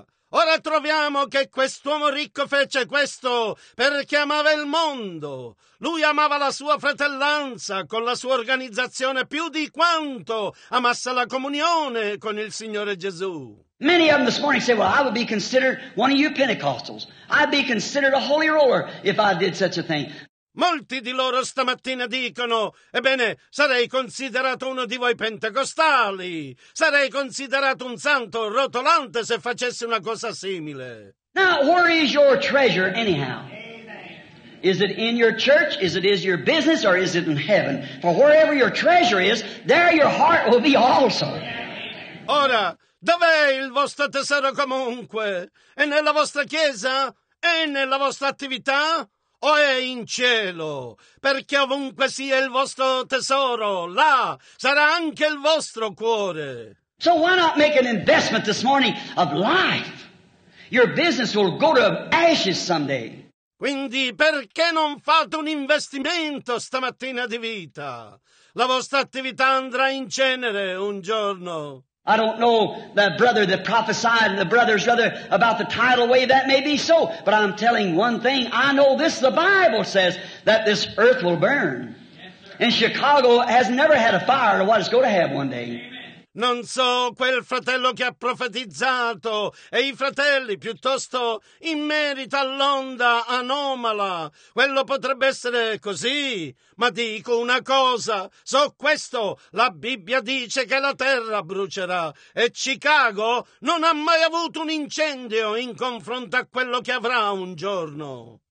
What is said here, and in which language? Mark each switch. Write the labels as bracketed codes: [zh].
[it] Ora troviamo che quest'uomo ricco fece questo perché amava il mondo. Lui amava la sua fratellanza con la sua organizzazione più di quanto amasse la comunione con il Signore Gesù. [en] Many of them this morning say, well, I would be considered one of you Pentecostals. I'd be considered a holy roller if I did such a thing. [it] Molti di loro stamattina dicono, ebbene, sarei considerato uno di voi pentecostali, sarei considerato un santo rotolante se facessi una cosa simile. [en] Now, where is your treasure anyhow? Amen. Is it in your church, is it is your business, or is it in heaven? For wherever your treasure is, there your heart will be also. [it] Ora, dov'è il vostro tesoro comunque? È nella vostra chiesa? È nella vostra attività? O è in cielo, perché ovunque sia il vostro tesoro, là sarà anche il vostro cuore. [en] So why not make an investment this morning of life? Your business will go to ashes someday. [it] Quindi perché non fate un investimento stamattina di vita? La vostra attività andrà in cenere un giorno. [en] I don't know the brother that prophesied, the brother's brother, about the tidal wave, that may be so. But I'm telling one thing, I know this, the Bible says, that this earth will burn. Yes, sir. And Chicago has never had a fire to what it's going to have one day. Amen. [it] Non so quel fratello che ha profetizzato e i fratelli piuttosto in merito all'onda anomala. Quello potrebbe essere così, ma dico una cosa. So questo, la Bibbia dice che la terra brucerà e Chicago non ha mai avuto un incendio in confronto a quello che avrà un giorno.